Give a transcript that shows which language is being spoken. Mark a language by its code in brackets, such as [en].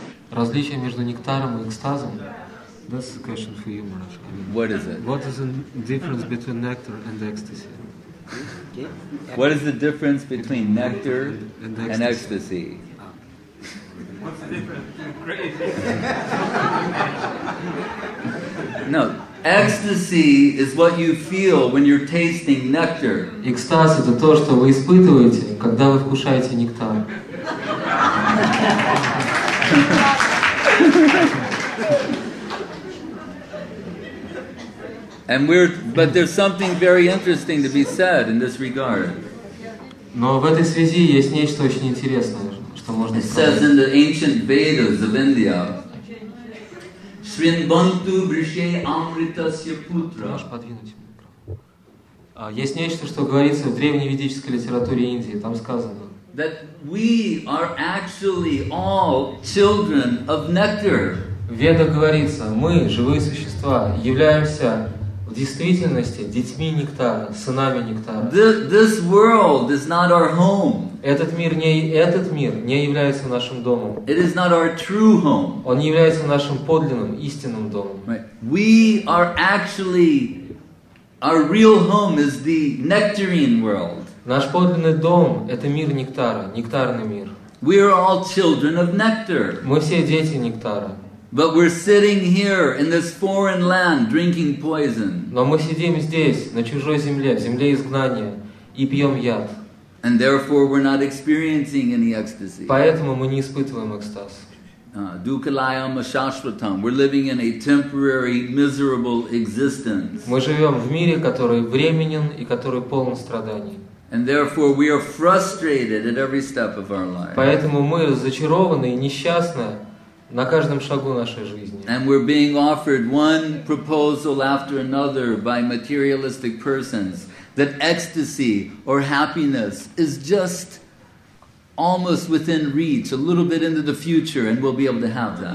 [ru] Различие между нектаром и экстазом? [en] That's a question for you, Maharaj. What is it? What is the difference between nectar and ecstasy? What is the difference between nectar and ecstasy? What's the difference? No, ecstasy is what you feel when you're tasting nectar. [ru] Экстаз — это то, что вы испытываете, когда вы вкушаете нектар. [en] And we're, but there's something very interesting to be said in this regard. [ru] Но в этой связи есть нечто очень интересное, что можно сказать. [en] It says in the ancient Vedas of India, [sa] Shrinvantu Vrishe Amritasya Putra. [ru] Можешь подвинуть микрофон. Есть нечто, что говорится в древневедической литературе Индии. Там сказано. [en] That we are actually all children of nectar. [ru] Веда говорится, мы живые существа являемся в действительности детьми нектара, сынами нектара. [en] This world is not our home. [ru] Этот мир не является нашим домом. [en] It is not our true home. [ru] Он не является нашим подлинным, истинным домом. [en] Right. We are actually, our real home is the nectarine world. [ru] Наш подлинный дом — это мир нектара, нектарный мир. [en] We are all children of nectar. [ru] Мы все дети нектара. [en] But we're sitting here in this foreign land drinking poison. [ru] Но мы сидим здесь, на чужой земле, в земле изгнания, и пьем яд. [en] And therefore we're not experiencing any ecstasy. [ru] Поэтому мы не испытываем экстаз. [sa] Dukalayam ashashvatam. [en] We're living in a temporary, miserable existence. [ru] Мы живем в мире, который временен и который полон страданий. [en] And therefore we are frustrated at every step of our life. [ru] Поэтому мы разочарованы и несчастны на каждом шагу нашей жизни. [en] And we're being offered one proposal after another by materialistic persons that ecstasy or happiness is just almost within reach, a little bit into the future, and we'll be able to have that.